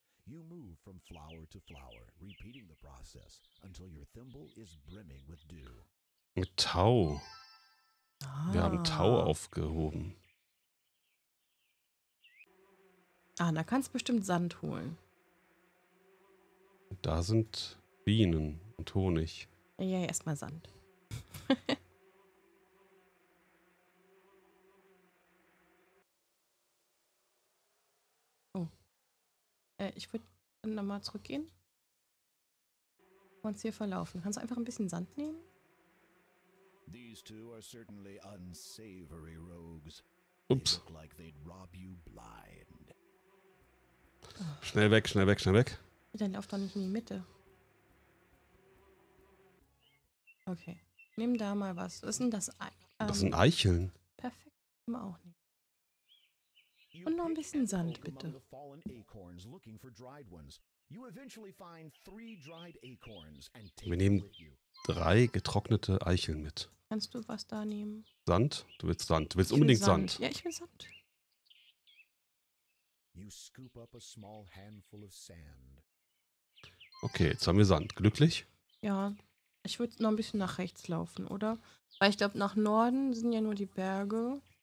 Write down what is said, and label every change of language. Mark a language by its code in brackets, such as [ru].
[en] You move from flower to flower, repeating the process until your thimble is brimming with dew. [de] Mit Tau. Ah. Wir haben Tau aufgehoben. Ah, da kannst du bestimmt Sand holen. Da sind Bienen und Honig. Ja, erstmal Sand. Ich würde dann nochmal zurückgehen. Und hier verlaufen. Kannst du einfach ein bisschen Sand nehmen? [en] These two are certainly unsavory rogues. [de] Ups. [en] They look like they'd rob you blind. [de] Schnell weg, schnell weg, schnell weg. Dann lauf doch nicht in die Mitte. Okay. Nimm da mal was. Was ist denn das? Das sind Eicheln. Perfekt. Nimm auch nicht. Und noch ein bisschen Sand, bitte. [en] The fallen acorns looking for dried ones. You eventually find three dried acorns and take them with you. [de] Drei getrocknete Eicheln mit. Kannst du was da nehmen? Sand? Du willst Sand. Du willst unbedingt Sand. Ja, ich will Sand. [en] You scoop up a small handful of sand. [de] Okay, jetzt haben wir Sand. Glücklich? Ja, ich würde noch ein bisschen nach rechts laufen, oder? Weil ich glaube, nach Norden sind ja nur die Berge.